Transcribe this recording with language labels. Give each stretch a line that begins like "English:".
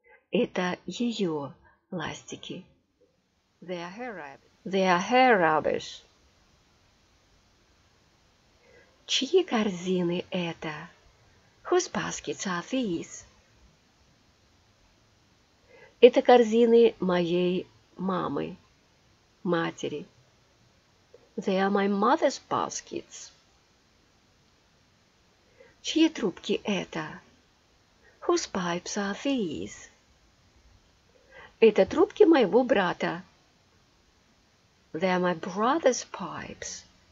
Russian: Это ее ластики.
English: They are her rubbers.
Russian: Чьи корзины это?
English: Whose baskets are these?
Russian: Это корзины моей мамы, матери.
English: They are my mother's baskets.
Russian: Чьи трубки это?
English: Whose pipes are these?
Russian: Это трубки моего брата.
English: They are my brother's pipes.